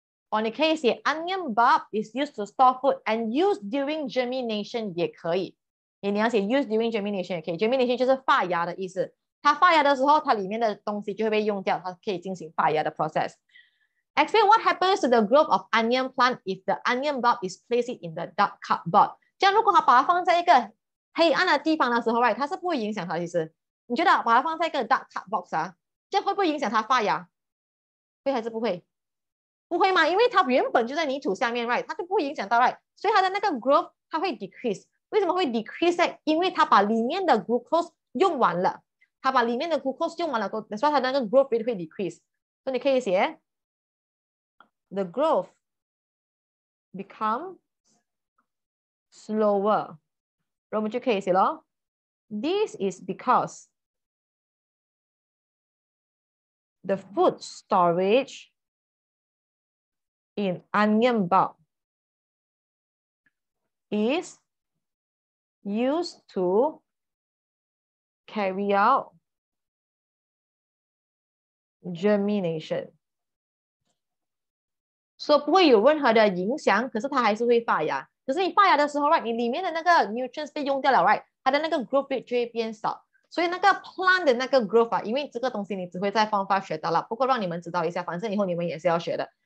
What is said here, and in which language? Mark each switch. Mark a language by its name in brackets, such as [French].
[Chinese] 哦，你可以写 [English] onion bulb is used to store food and used during germination [Chinese] 也可以。你要写 [English] used during germination [Chinese] 也可以。Germination 就是发芽的意思。它发芽的时候，它里面的东西就会被用掉，它可以进行发芽的 process。 [English] Explain what happens to the growth of onion plant if the onion bulb is placed in the dark cupboard. [Chinese] 这样如果它把它放在一个黑暗的地方的时候 right, 它是不会影响它的意思。你觉得把它放在一个 dark cupboard 啊，这样会不会影响它发芽？会还是不会？不会吗？因为它原本就在泥土下面 right, 它就不会影响到 right, 所以它的那个 growth 它会 decrease。为什么会 decrease？ 因为它把里面的 glucose 用完了，它把里面的 glucose 用完了，所以它的那个 growth rate 会 decrease。所以你可以写。 [English] The growth becomes slower. [Chinese] 然后我们就可以写了。 [English] This is because the food storage in onion bulb is used to carry out germination. [Chinese] 所、so, 以不会有任何的影响，可是它还是会发芽。可是你发芽的时候 right, 你里面的那个 nutrients 被用掉了 right, 它的那个 growth rate 就会变少。所以那个 plant 的那个 growth 啊，因为这个东西你只会在 form 5学到了，不过让你们知道一下，反正以后你们也是要学的。